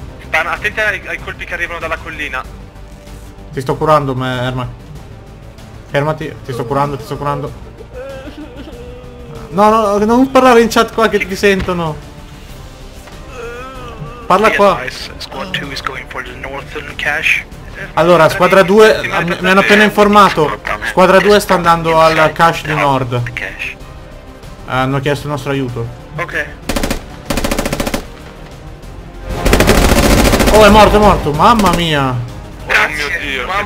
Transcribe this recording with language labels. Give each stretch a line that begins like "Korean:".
Italian: Attenti ai colpi che arrivano dalla collina. Ti sto curando, Ermac. Fermati, ti sto curando. No, non parlare in chat qua che ti sentono. Parla qua.
English: Squad 2 is going for the northern cache.
Italian: Allora, squadra 2, mi hanno appena informato. Squadra 2 sta andando al cache di nord. Hanno chiesto il nostro aiuto. Ok. Oh, è morto, mamma mia. Grazie. Oh mio Dio.